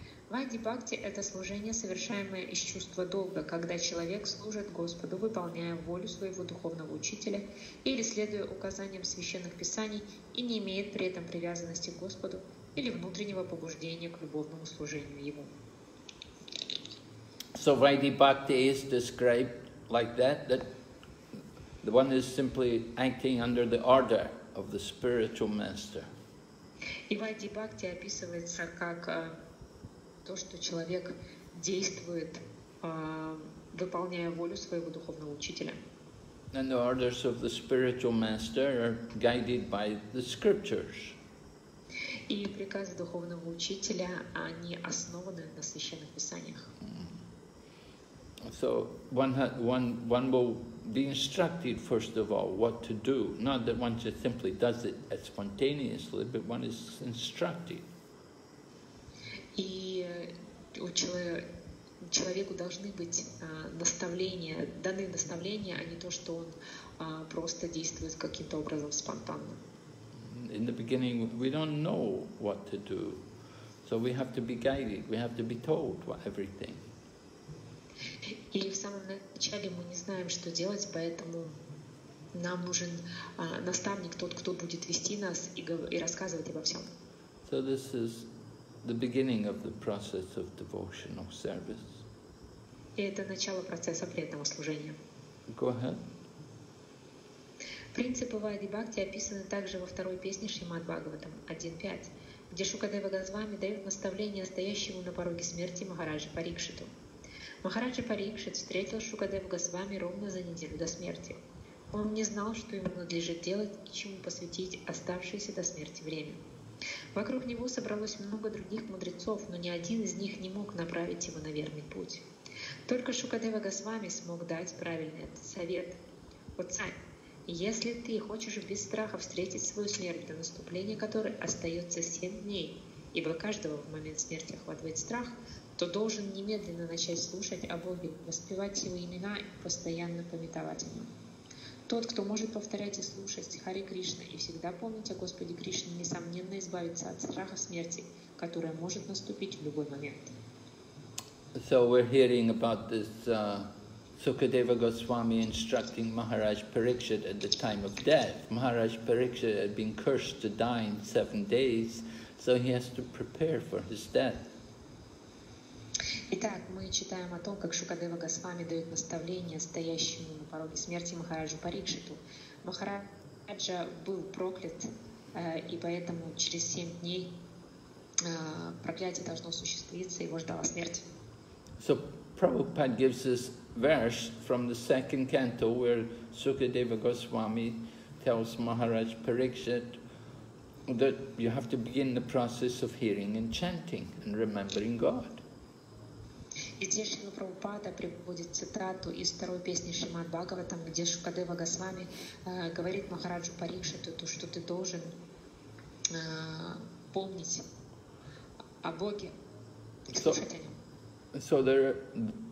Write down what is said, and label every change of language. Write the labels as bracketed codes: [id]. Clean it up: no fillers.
[ru] Вайди бхакти – это служение, совершаемое из чувства долга, когда человек служит Господу, выполняя волю своего духовного учителя или следуя указаниям священных писаний и не имеет при этом привязанности к Господу или внутреннего побуждения к любовному служению Ему. [en] So Vaidhi Bhakti is described like that, that the one is simply acting under the order of the spiritual master. [ru] И Вайди Бхакти описывается как то, что человек действует, выполняя волю своего духовного учителя. [en] And the orders of the spiritual master are guided by the scriptures. [ru] И приказы духовного учителя, они основаны на священных писаниях. [en] So one will be instructed first of all what to do. Not that one just simply does it spontaneously, but one is instructed. [ru] И человеку должны быть наставления, даны наставления, а не то, что он просто действует каким-то образом спонтанно. [en] In the beginning, we don't know what to do, so we have to be guided, we have to be told what everything. [ru] И в самом начале мы не знаем, что делать, поэтому нам нужен наставник, тот, кто будет вести нас и рассказывать обо всем. [en] So this is the beginning of the process of devotional service. [ru] И это начало процесса преданного служения. [en] Go ahead. [ru] Принципы Вайди Бхакти описаны также во второй песне Шримад Бхагаватам 1.5, где Шукадева Госвами дает наставление стоящему на пороге смерти Махараджа Парикшиту. Махараджа Парикшит встретил Шукадева Госвами ровно за неделю до смерти. Он не знал, что ему надлежит делать и чему посвятить оставшееся до смерти время. Вокруг него собралось много других мудрецов, но ни один из них не мог направить его на верный путь. Только Шукадева Госвами смог дать правильный этот совет. «О царь, если ты хочешь без страха встретить свою смерть, до наступления которой остается 7 дней, ибо каждого в момент смерти охватывает страх, то должен немедленно начать слушать о Боге, воспевать его имена и постоянно памятовать о нем. Тот, кто может повторять и слушать Хари Кришна и всегда помнить о Господе Кришне, несомненно избавится от страха смерти, которая может наступить в любой момент. [en] So we're hearing about this Sukadeva Goswami instructing Maharaj Parikshit at the time of death. Maharaj Parikshit had been cursed to die in 7 days, so he has to prepare for his death. [ru] Итак, мы читаем о том, как Шукадева Госвами дает наставление стоящему на пороге смерти Махараджу Парикшиту. Махараджа был проклят, и поэтому через 7 дней проклятие должно осуществиться, его ждала смерть. [en] So Prabhupada gives this verse from the second canto, where Sukadeva Goswami tells Maharaj Parikshit that you have to begin the process of hearing and chanting and remembering God. [ru] И здесь Шрила Прабхупада приводит цитату из второй песни Шримад Бхагаватам, где Шукадева Госвами говорит Махараджу Парикшиту, то, что ты должен помнить о Боге и слушать о Нем.